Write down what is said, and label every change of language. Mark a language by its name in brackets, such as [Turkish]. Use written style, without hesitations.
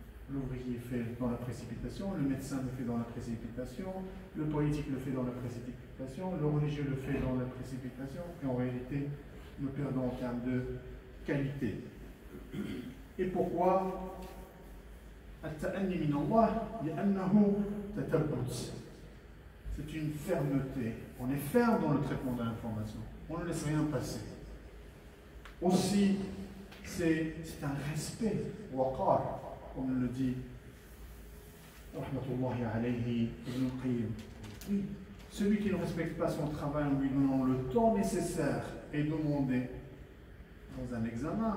[French] L'ouvrier fait dans la précipitation, le médecin le fait dans la précipitation, le politique le fait dans la précipitation, le religieux le fait dans la précipitation, et en réalité, nous perdons en termes de qualité. Et pourquoi [Arabic] التأني من الله لأنه تثبت. [French] C'est une fermeté. On est ferme dans le traitement de l'information. On ne laisse rien passer. Aussi, c'est un respect, waqar, comme le dit Rahmatullahi alayhi ibn al-Qayyim. Oui, celui qui ne respecte pas son travail en lui donnant le temps nécessaire est demandé dans un examen.